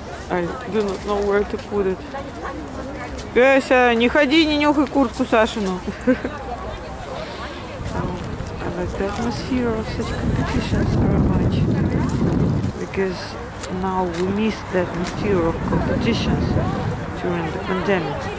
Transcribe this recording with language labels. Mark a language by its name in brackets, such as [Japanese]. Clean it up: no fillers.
[English] I do not know where to put it. [Russian] Пёся, не ходи, не нюхай куртку Сашину. [English] I like the atmosphere of such competitions very much. Because now we miss the atmosphere of competitions during the pandemic.